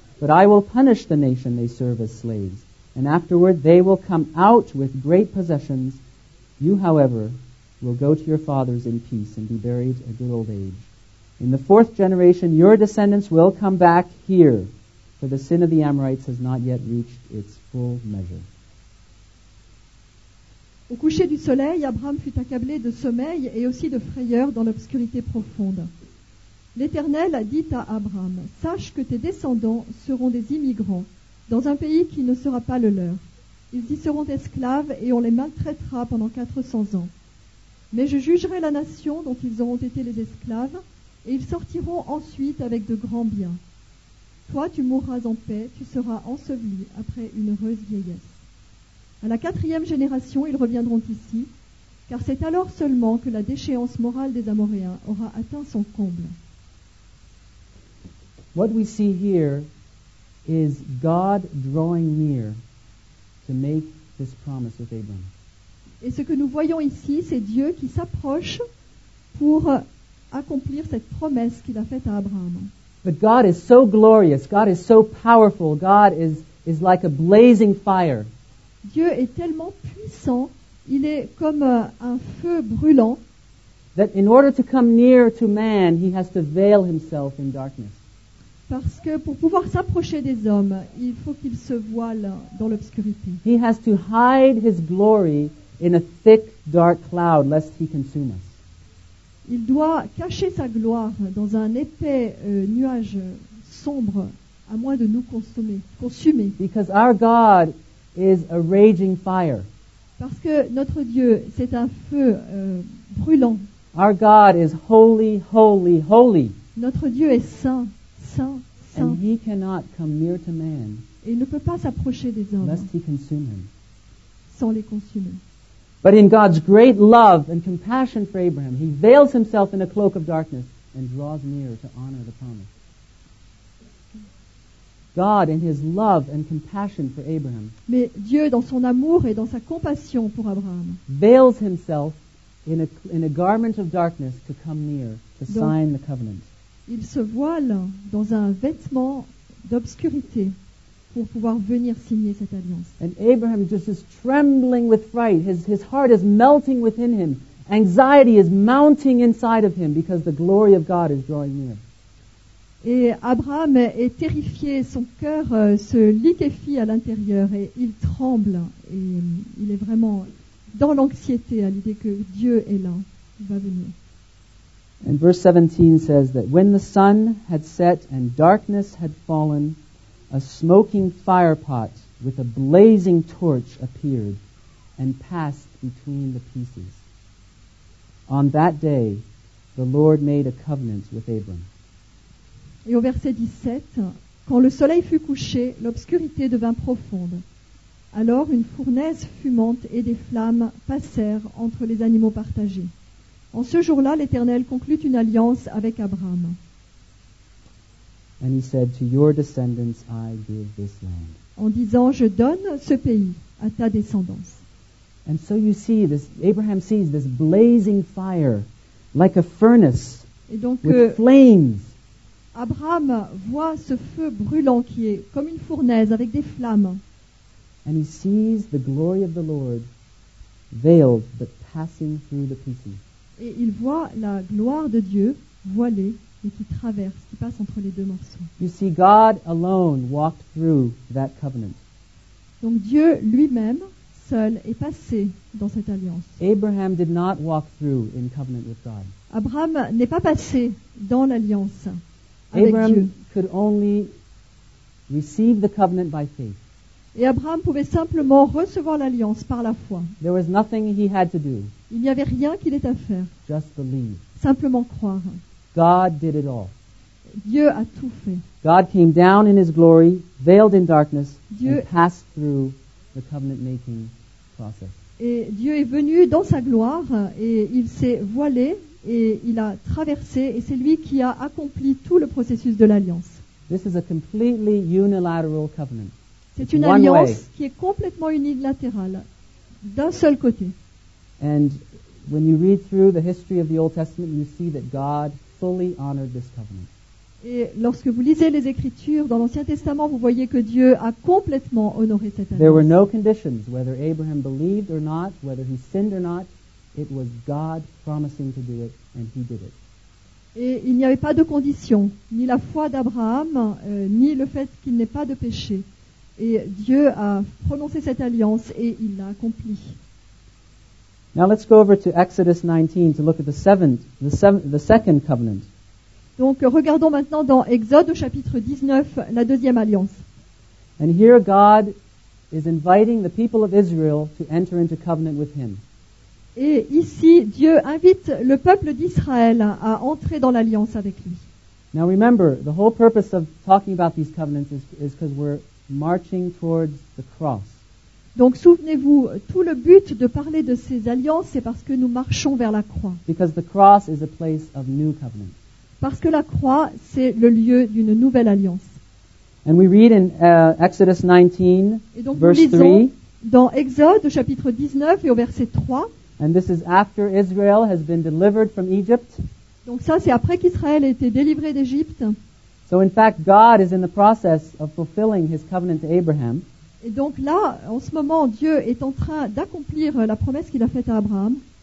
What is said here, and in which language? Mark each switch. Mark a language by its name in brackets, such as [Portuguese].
[English] But I will punish the nation they serve as slaves, and afterward they will come out with great possessions. You, however, will go to your fathers in peace and be buried at a good old age. In the fourth generation, your descendants will come back here, for the sin of the Amorites has not yet reached its full measure. [French] Au coucher du soleil, Abraham fut accablé de sommeil et aussi de frayeur dans l'obscurité profonde. L'Éternel dit à Abraham, « Sache que tes descendants seront des immigrants dans un pays qui ne sera pas le leur. Ils y seront esclaves et on les maltraitera pendant 400 ans. Mais je jugerai la nation dont ils auront été les esclaves et ils sortiront ensuite avec de grands biens. Toi, tu mourras en paix, tu seras enseveli après une heureuse vieillesse. À la quatrième génération, ils reviendront ici, car c'est alors seulement que la déchéance morale des Amoréens aura atteint son comble. » [English] What we see here is God drawing near to make this promise with Abraham. [French] Et ce que nous voyons ici, c'est Dieu qui s'approche pour accomplir cette promesse qu'il a faite à Abraham. [English] But God is so glorious, God is so powerful, God is like a blazing fire. [French] Dieu est tellement puissant, il est comme un feu brûlant. [English] That in order to come near to man, he has to veil himself in darkness. [French] Parce que pour pouvoir s'approcher des hommes, il faut qu'il se voile dans l'obscurité. [English] He has to hide his glory in a thick dark cloud lest he consume us. [French] Il doit cacher sa gloire dans un épais nuage sombre à moins de nous consumer. [English] Because our God is a raging fire. [French] Parce que notre Dieu, c'est un feu brûlant. [English] Our God is holy, holy, holy. [French] Notre Dieu est saint, saint, saint. [English] And he cannot come near to man. [French] Et il ne peut pas s'approcher des hommes. [English] Lest he consume him. [French] Sans les consumer. [English] But in God's great love and compassion for Abraham, he veils himself in a cloak of darkness and draws near to honor the promise. God in his love and compassion for Abraham. [French] Mais Dieu dans son amour et dans sa compassion pour Abraham. [English] Veils himself in a garment of darkness to come near to [French] donc, [English] sign the covenant. [French] Il se voile dans un vêtement d'obscurité pour pouvoir venir signer cette alliance. [English] And Abraham just is trembling with fright. His heart is melting within him. Anxiety is mounting inside of him because the glory of God is drawing near. [French] Et Abraham est terrifié, son cœur se liquéfie à l'intérieur et il tremble et il est vraiment dans l'anxiété à l'idée que Dieu est là, il va venir. [English] And verse 17 says that when the sun had set and darkness had fallen, a smoking firepot with a blazing torch appeared and passed between the pieces. On that day, the Lord made a covenant with Abram. [French] Et au verset 17, quand le soleil fut couché, l'obscurité devint profonde. Alors une fournaise fumante et des flammes passèrent entre les animaux partagés. En ce jour-là, l'Éternel conclut une alliance avec Abraham. [English] And he said, to your descendants, I give this land. [French] En disant, je donne ce pays à ta descendance. [English] And so you see, this, Abraham sees this blazing fire, like a furnace, [French] et donc, [English] with flames. [French] Abraham voit ce feu brûlant qui est comme une fournaise avec des flammes. [English] And he sees the glory of the Lord veiled but passing through the pieces. [French] Et il voit la gloire de Dieu voilée et qui traverse, qui passe entre les deux morceaux. [English] You see, God alone walked through that covenant. [French] Donc Dieu lui-même seul est passé dans cette alliance. [English] Abraham did not walk through in covenant with God. [French] Abraham n'est pas passé dans l'alliance avec Abraham Dieu. [English] Abraham could only receive the covenant by faith. [French] Et Abraham pouvait simplement recevoir l'alliance par la foi. [English] There was nothing he had to do. [French] Il n'y avait rien qu'il ait à faire. [English] Just believe. [French] Simplement croire. [English] God did it all. [French] Dieu a tout fait. [English] God came down in his glory, veiled in darkness, and passed through the covenant-making process. [French] Et Dieu est venu dans sa gloire et il s'est voilé et il a traversé et c'est lui qui a accompli tout le processus de l'alliance. [English] This is a completely unilateral covenant. [French] C'est une alliance qui est complètement unilatérale d'un seul côté. [English] And when you read through the history of the Old Testament, you see that God fully honored this covenant. [French] Et lorsque vous lisez les Écritures dans l'Ancien Testament, vous voyez que Dieu a complètement honoré cette alliance. [English] There were no conditions, whether Abraham believed or not, whether he sinned or not. It was God promising to do it, and he did it. [French] Et il n'y avait pas de conditions, ni la foi d'Abraham, ni le fait qu'il n'ait pas de péché. Et Dieu a prononcé cette alliance et il l'a accomplie. [English] Now let's go over to Exodus 19 to look at the second covenant. [French] Donc regardons maintenant dans Exode au chapitre 19 la deuxième alliance. [English] And here God is inviting the people of Israel to enter into covenant with him. [French] Et ici Dieu invite le peuple d'Israël à entrer dans l'alliance avec lui. [English] Now remember, the whole purpose of talking about these covenants is because we're marching towards the cross. [French] Donc souvenez-vous, tout le but de parler de ces alliances, c'est parce que nous marchons vers la croix. [English] Because the cross is a place of new covenant. [French] Parce que la croix, c'est le lieu d'une nouvelle alliance. [English] And we read in Exodus 19, [French] et donc [English] verse [French] nous lisons [English] 3, [French] dans Exode, au chapitre 19 et au verset 3. [English] And this is after Israel has been delivered from Egypt. [French] Donc ça, c'est après qu'Israël a été délivré d'Égypte. [English] So in fact, God is in the process of fulfilling his covenant to Abraham. [French] Et donc là, en ce moment, Dieu est en train d'accomplir la promesse qu'il a faite à Abraham.